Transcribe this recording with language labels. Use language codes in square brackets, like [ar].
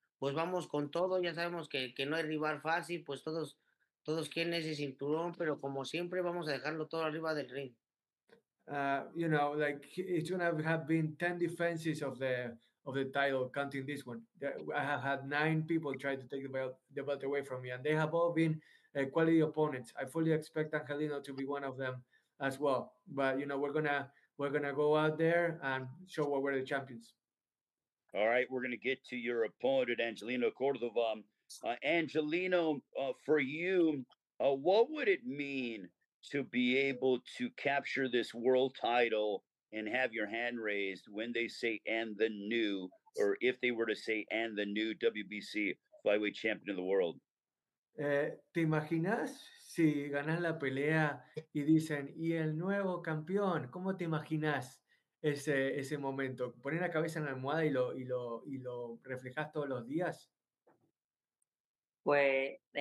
[es] Pues vamos con todo, ya sabemos que no hay rival fácil, pues todos quieren ese cinturón, pero como siempre vamos a dejarlo todo arriba del ring. [en] You know, like it's gonna have been 10 defenses of the title, counting this one. I have had 9 people try to take the belt away from me, and they have all been quality opponents. I fully expect Angelino to be one of them as well. But you know, we're gonna go out there and show what we're the champions. All right, we're gonna get to your opponent, Angelino Cordova. Angelino, for you, what would it mean to be able to capture this world title and have your hand raised when they say "and the new," or if they were to say "and the new WBC flyweight champion of the world"? [es] ¿Te imaginas si ganas la pelea y dicen "y el nuevo campeón"? ¿Cómo te imaginas ese momento? Poner la cabeza en la almohada y lo reflejas todos los días. Pues.